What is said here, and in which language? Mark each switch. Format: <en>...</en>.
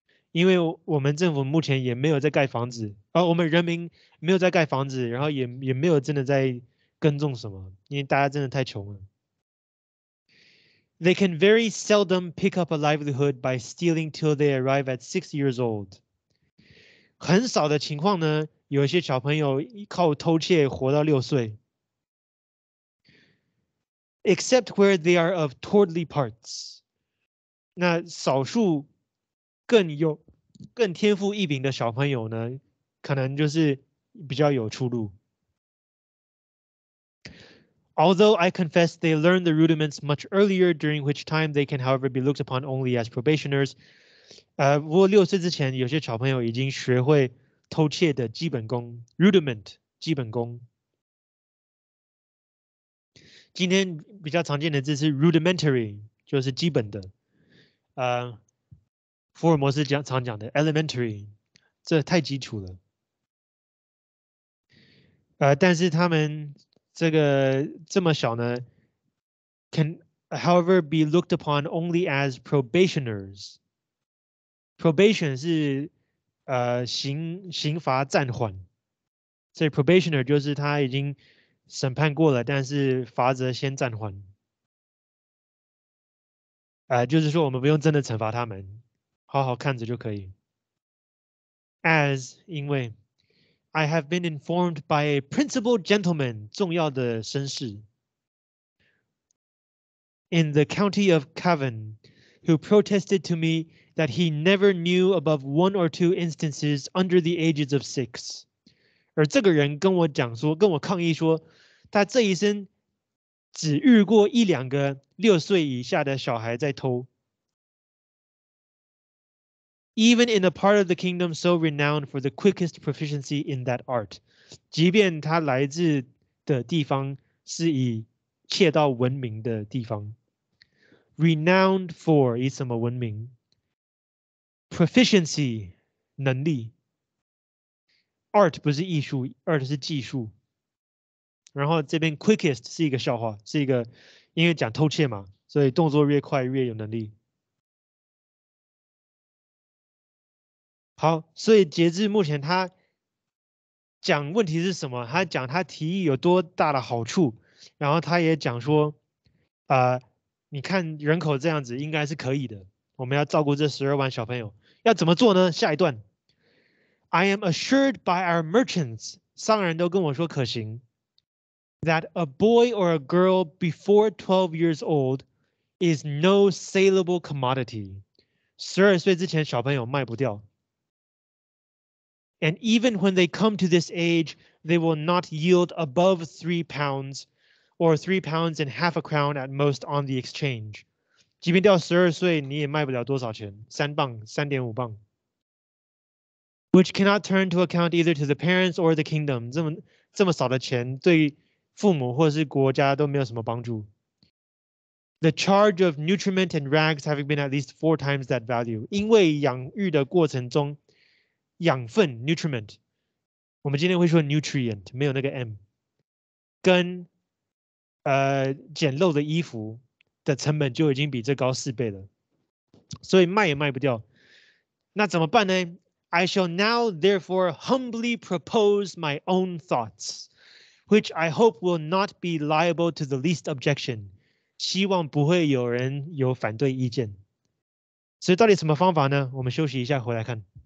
<zh>因为我们政府目前也没有在盖房子，我们人民没有在盖房子，然后 也没有真的在耕种什么，因为大家真的太穷了。</zh> <en>They can very seldom pick up a livelihood by stealing till they arrive at 6 years old.</en> <zh>很少的情况呢，有一些小朋友靠偷窃活到六岁。</zh> <en>Except where they are of towardly parts.</en> <zh>那少数更天赋异禀的小朋友呢，可能就是比较有出路。</zh> <en>Although I confess they learn the rudiments much earlier, during which time they can, however, be looked upon only as probationers.</en> <zh>不过六岁之前，有些小朋友已经学会偷窃的基本功 rudiment 基本功。今天比较常见的字是 rudimentary， 就是基本的。福尔摩斯常讲的 elementary， 这太基础了。但是他们这个这么小呢</zh> <en>，can however be looked upon only as probationers。</en> <zh>probation 是刑罚暂缓，所以 probationer 就是他已经审判过了，但是罚则先暂缓。就是说我们不用真的惩罚他们，好好看着就可以。</zh> <en>As,</en> <zh>因为</zh> <en>I have been informed by a principal gentleman,</en> <zh>重要的绅士</zh> <en>in the county of Cavan, who protested to me that he never knew above one or two instances under the ages of six.</en> <zh>而这个人跟我讲说，跟我抗议说，他这一生只遇过一两个六岁以下的小孩在偷。</zh> <en>Even in a part of the kingdom so renowned for the quickest proficiency in that art,</en> <zh>即便他来自的地方是以窃盗闻名的地方</zh> <en>，renowned for</en> <zh>以什么闻名</zh> <en>？proficiency</en> <zh>能力。 Art 不是艺术 ，art 是技术。然后这边 quickest 是一个笑话，是一个因为讲偷窃嘛，所以动作越快越有能力。好，所以截至目前，他讲问题是什么？他讲他提议有多大的好处，然后他也讲说，你看人口这样子应该是可以的，我们要照顾这十二万小朋友，要怎么做呢？下一段。</zh> <en>I am assured by our merchants,</en> <zh>商人都跟我说可行</zh> <en>that a boy or a girl before 12 years old is no saleable commodity.</en> <zh>十二岁之前小朋友卖不掉。</zh> <en>And even when they come to this age, they will not yield above 3 pounds or 3 pounds and half a crown at most on the exchange.</en> <zh>即便到十二岁你也卖不了多少钱，三磅，三点五磅。</zh> <en>Which cannot turn to account either to the parents or the kingdom.</en> <zh>这么少的钱对父母或是国家都没有什么帮助。</zh> <en>The charge of nutriment and rags having been at least 4 times that value.</en> <zh>因为养育的过程中，养分 nutriment， 我们今天会说 nutrient， 没有那个 m， 跟简陋的衣服的成本就已经比这高四倍了，所以卖也卖不掉。那怎么办呢？</zh> <en>I shall now, therefore, humbly propose my own thoughts, which I hope will not be liable to the least objection.</en> <zh>希望不会有人有反对意见。所以到底什么方法呢？我们休息一下，回来看。</zh>